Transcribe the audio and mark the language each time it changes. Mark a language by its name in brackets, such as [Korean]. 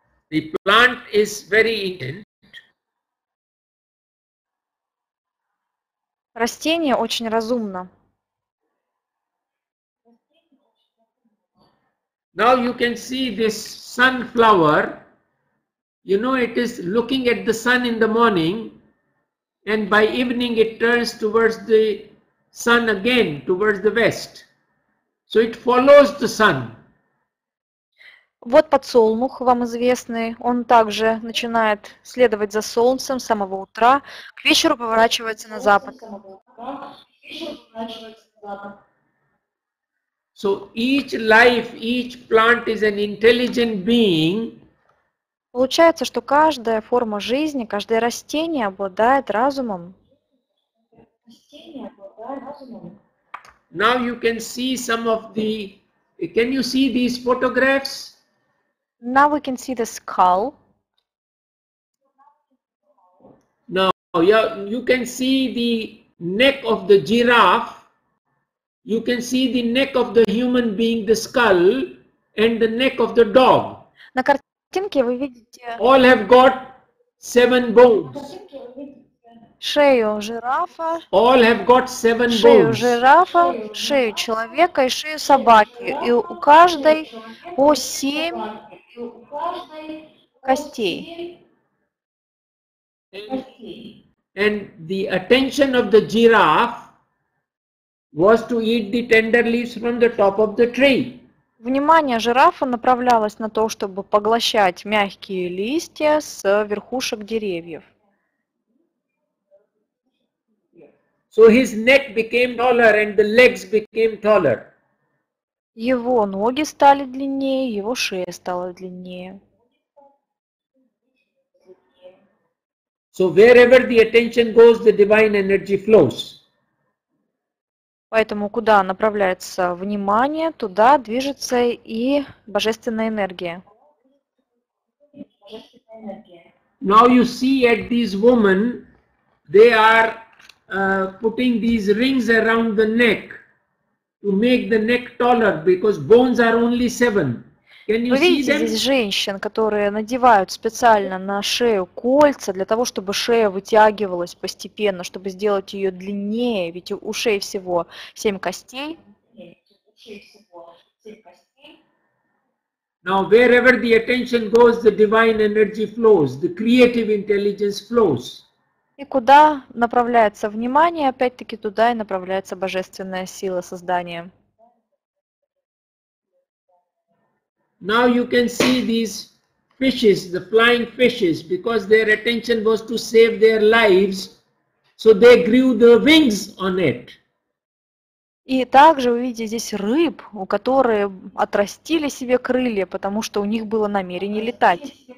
[English] The plant is very intelligent. [Russian] Растение очень разумно. [English] Now you can see this sunflower, you know, it is looking at the sun in the morning and by evening it turns towards the sun again, towards the west. So it follows the sun. [Russian] Вот подсолнух вам известный, он также начинает следовать за солнцем с самого утра, к вечеру поворачивается на запад. [English] So each life, each plant is an intelligent being. [Russian] Получается, что каждая форма жизни, каждое растение обладает разумом. [English] Now you can see some of the, can you see these photographs? Now we can see the skull. Now you can see the neck of the giraffe. You can see the neck of the human being, the skull, and the neck of the dog. [Russian] На картинке вы видите... [English] All have got seven bones. [Russian] Шею жирафа, [English] All have got seven [Russian] шею [English] bones. [Russian] Жирафа, шею человека и шею собаки. И у каждой по семь костей. [English] And the attention of the giraffe was to eat the tender leaves from the top of the tree. [Russian] Внимание жирафа направлялось на то, чтобы поглощать мягкие листья с верхушек деревьев. [English] So his neck became taller and the legs became taller. [Russian] Его ноги стали длиннее, его шея стала длиннее. [English] So wherever the attention goes, the divine energy flows. [Russian] Поэтому куда направляется внимание, туда движется и божественная энергия. [English] Now you see at these women, they are putting these rings around the neck to make the neck taller because bones are only seven. Can you [Russian] Вы видите [English] see [Russian] здесь женщин, которые надевают специально на шею кольца для того, чтобы шея вытягивалась постепенно, чтобы сделать ее длиннее, ведь у шеи всего семь костей. [English] Now wherever the attention goes, the divine energy flows, the creative intelligence flows. [Russian] И куда направляется внимание, опять-таки туда и направляется божественная сила создания. [English] Now you can see these fishes, the flying fishes, because their attention was to save their lives, so they grew the wings on it. [Russian] И также вы видите здесь рыб, у которых отрастили себе крылья, потому что у них было намерение летать.